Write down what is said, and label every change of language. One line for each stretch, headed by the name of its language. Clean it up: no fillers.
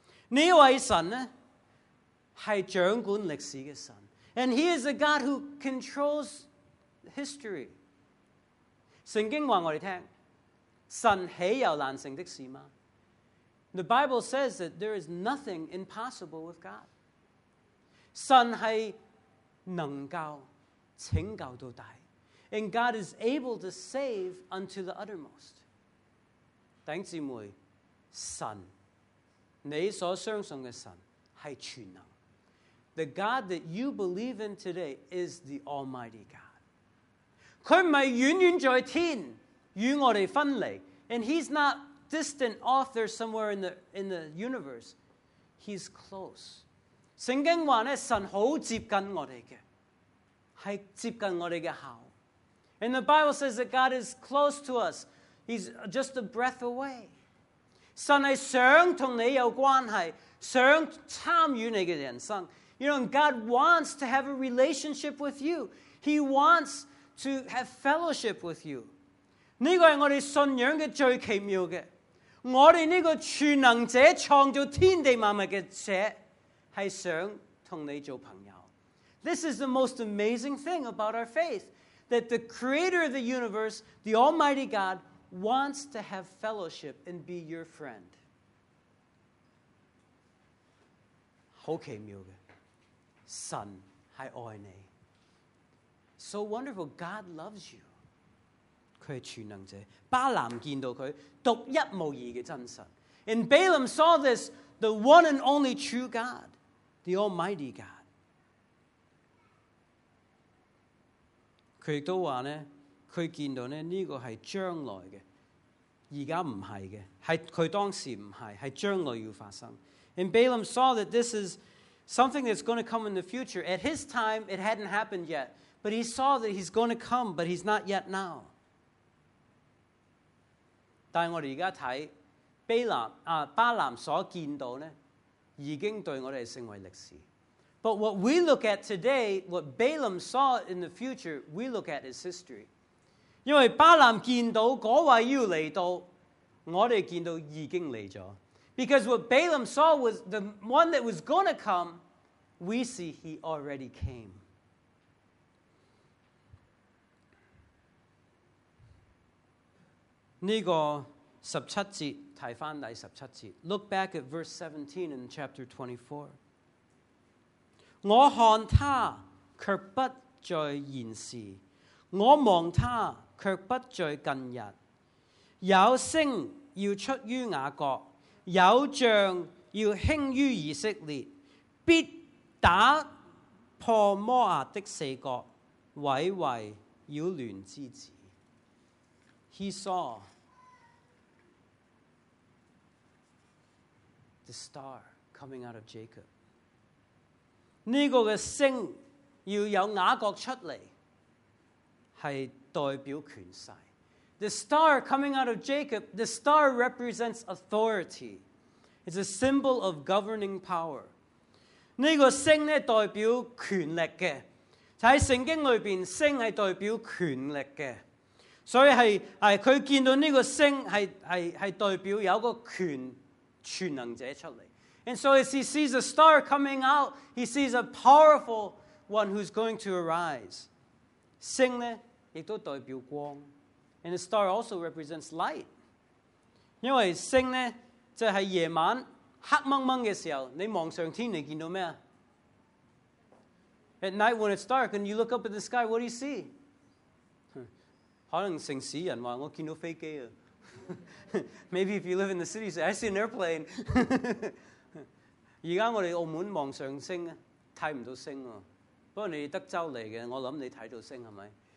Chinese: 这位神呢，是掌管历史的神。
English: And he is a God who controls history.
Chinese: 圣经告诉我们，神岂有难成的事吗？
English: The Bible says that there is nothing impossible with God.
Chinese: 神是能够拯救到底，
English: And God is able to save unto the uttermost.
Chinese: 弟兄姊妹，神，你所相信的神是全能。
English: The God that you believe in today is the Almighty God.
Chinese: 他不是远远在天与我们分离，
English: And he's not distant off there somewhere in the universe. He's close.
Chinese: 圣经说呢，神很接近我们的，是接近我们的口。
English: And the Bible says that God is close to us. He's just a breath away.
Chinese: 神是想跟你有关系，想参与你的人生。
English: You know, God wants to have a relationship with you. He wants to have fellowship with you.
Chinese: 这个是我们信仰的最奇妙的。我们这个全能者创造天地万物的者，是想跟你做朋友。
English: This is the most amazing thing about our faith, that the creator of the universe, the Almighty GodWants to have fellowship and be your friend.
Chinese: 好奇妙的，神是爱你。
English: So wonderful, God loves you.
Chinese: 他是全能者，巴蘭见到他，独一无二的真神。
English: And Balaam saw this, the one and only true God, the Almighty God.
Chinese: 他也说呢，他见到呢，这个是将来的。现在不是的，是他当时不是，是将来要发生。
English: And Balaam saw that this is something that's going to come in the future. At his time, it hadn't happened yet. But he saw that he's going to come, but he's not yet now.
Chinese: 但我们现在看巴兰所见到呢，已经对我们成为历史。
English: But what we look at today, what Balaam saw in the future, we look at as history.
Chinese: 因为巴兰见到那位要来到，我们见到已经来了。
English: Because what Balaam saw was the one that was going to come, we see he already came.
Chinese: 这个十七节，提翻第十七节。
English: Look back at verse 17 in chapter 24.
Chinese: 我看他，却不在现时；我望他，却不在近日。有声要出于雅各，有像要兴于以色列，必打破摩押的四国，毁为扰乱之子。
English: He saw the star coming out of Jacob.
Chinese: 这个的星要有雅各出来，是代表权势。
English: The star coming out of Jacob, the star represents authority. It's a symbol of governing power.
Chinese: 这个星呢代表权力的，在圣经里面，星是代表权力的。所以是他见到这个星 是代表有个权全能者出来。
English: And so as he sees a star coming out, he sees a powerful one who's going to arise.
Chinese: 星呢也都代表光。
English: And the star also represents light.
Chinese: 因为星呢，就是夜晚黑蒙蒙的时候，你望上天，你见到咩？
English: At night when it's dark and you look up at the sky, what do you see?
Chinese: 可能城市人话我见到飞机啊。
English: Maybe if you live in the city, you say, I see an airplane.
Chinese: 现在我们澳门望上星，看不到星啊。不过你德州来的，我想你看到星，是吧？